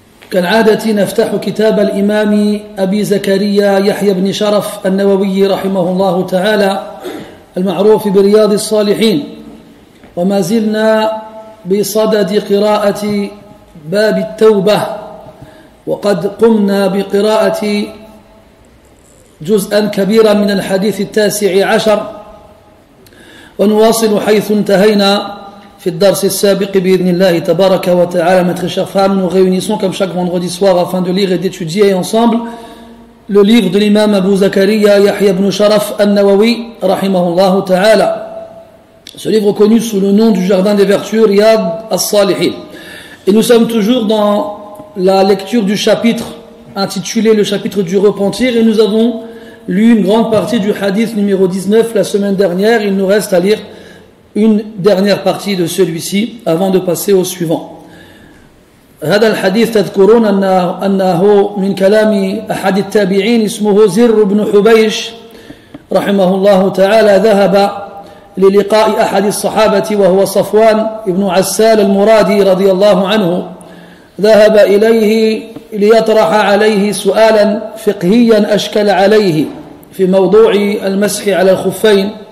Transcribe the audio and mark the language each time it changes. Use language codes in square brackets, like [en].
[ar] كالعادة نفتح كتاب الإمام أبي زكريا يحيى بن شرف النووي رحمه الله تعالى المعروف برياض الصالحين، وما زلنا بصدد قراءة باب التوبة، وقد قمنا بقراءة جزءا كبيرا من الحديث 19، ونواصل حيث انتهينا في الدرس السابق بإذن الله تبارك وتعالى. [fr] Maître et chère femme, nous réunissons comme chaque vendredi soir afin de lire et d'étudier ensemble le livre de l'imam Abu Zakaria Yahya ibn Sharaf al-Nawawi rahimahullah ta'ala. Ce livre connu sous le nom du Jardin des Vertus, Riyad al-Salihin. Et nous sommes toujours dans la lecture du chapitre intitulé le chapitre du repentir, et nous avons lu une grande partie du hadith numéro 19 la semaine dernière. Il nous reste à lire une dernière partie de celui-ci avant de passer au suivant. [ar] هذا الحديث تذكرون أنه من كلام أحد التابعين اسمه زر بن حبيش رحمه الله تعالى ذهب للقاء أحد الصحابة وهو صفوان ابن عسال المرادي رضي الله عنه، ذهب إليه ليطرح عليه سؤالا فقهيا أشكل عليه في موضوع المسح على الخفين،